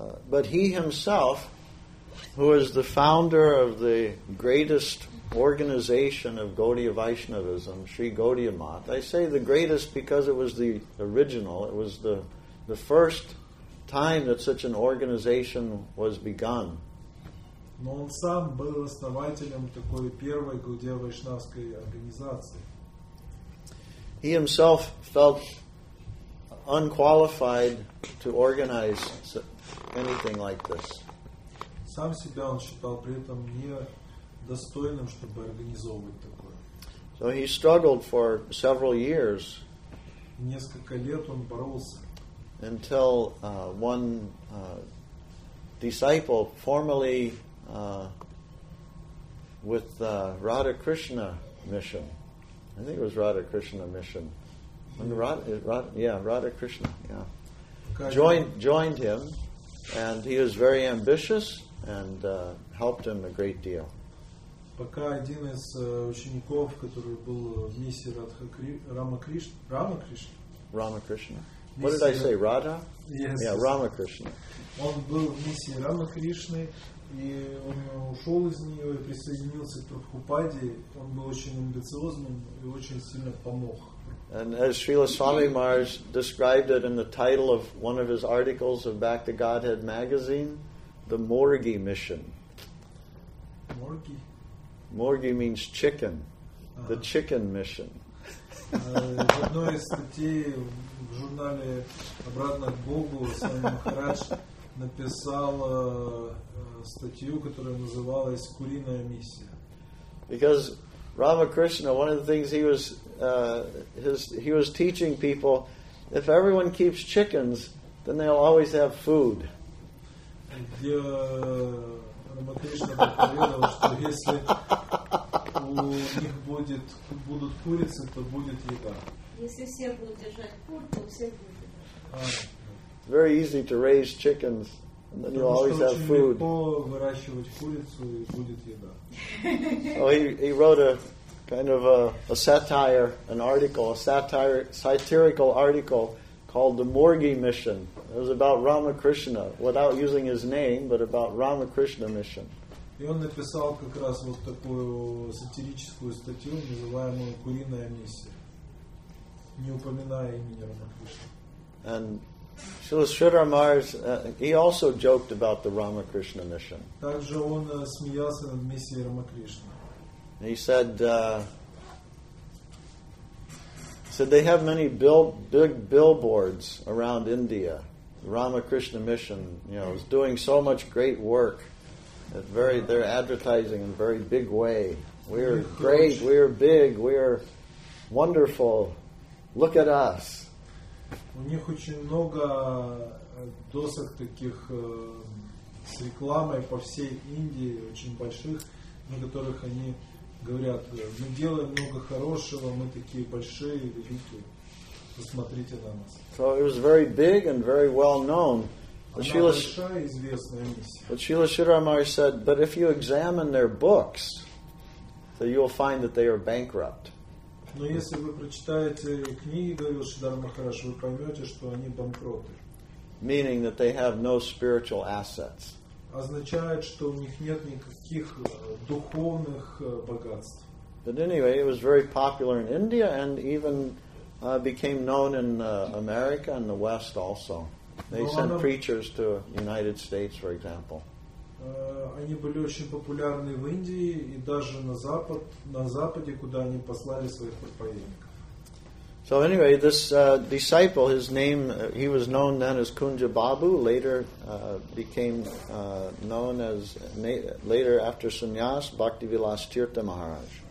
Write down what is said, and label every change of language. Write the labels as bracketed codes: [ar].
[en] But he himself, who is the founder of the greatest organization of Gaudiya Vaishnavism, Sri Gaudiya Math. I say the greatest because it was the original. It was the first time that such an organization was begun. [ru] Но он сам был основателем такой первой Гаудия Вайшнавской организации. [en] He himself felt unqualified to organize anything like this. [ru] Сам себя он считал при этом не достойным, чтобы организовывать такое. [en] So he struggled for several years. [ru] Несколько лет он боролся. [en] Until one disciple, formerly with Radha Krishna mission, I think it was Radha Krishna mission. Radha Krishna. Joined him, and he was very ambitious and helped him a great deal. [ru] Пока один из учеников, который был в миссии Рамакришна. [en] What did I say, Radha? Yes. Yeah, Рамакришна. [ru] Он был в миссии Рамакришны. И он ушел из нее и присоединился к Прабхупаде. Он был очень амбициозным и очень сильно помог. [en] And as Srila Swami Maharaj described it in the title of one of his articles of Back to Godhead magazine, the Morgi mission. Morgi? Morgi means chicken. The chicken mission. [ru] В одной из статей в журнале «Обратно к Богу» Свами Махарадж написал статью, которая называлась «Куриная миссия». [en] Because Ramakrishna, one of the things he was teaching people, if everyone keeps chickens, then they'll always have food. [ru] Где Рамакришна говорил, что если у них будут курицы, то будет еда. Если все будут держать кур, то все будет еда. [en] Very easy to raise chickens, and then you'll always have food. So he wrote a kind of satirical article called The Morgi Mission. It was about Ramakrishna, without using his name, but about Ramakrishna Mission. [ru] И он написал как раз вот такую сатирическую статью, называемую «Куриная миссия», не упоминая имени Рамакришны. [en] And Srila Sridhar Maharaj, he also joked about the Ramakrishna mission. [ru] Также он смеялся над миссией Рамакришны. [en] He said they have many big billboards around India. Ramakrishna mission, you know, is doing so much great work. They're advertising in a very big way. We're great. We're big. We're wonderful. Look at us. [ru] У них очень много досок таких с рекламой по всей Индии, очень больших, на которых они говорят: мы делаем много хорошего, мы такие большие и великие, посмотрите на нас. [en] So it was very big and very well known. But Srila Sridhar Maharaj said, but if you examine their books, so you'll find that they are bankrupt. [ru] Но если вы прочитаете книги, говорил Шридхар Махарадж, вы поймете, что они банкроты. [en] Meaning that they have no spiritual assets. [ru] Означает, что у них нет никаких духовных богатств. [en] But anyway, it was very popular in India and even became known in America and the West also. They sent preachers to the United States, for example. [ru] Они были очень популярны в Индии и даже на западе, куда они послали своих проповедников. [en] So anyway, this disciple, his name, he was known then as Kunja Babu, later became known as, later after Sannyas, Bhaktivilas Tirtha Maharaj.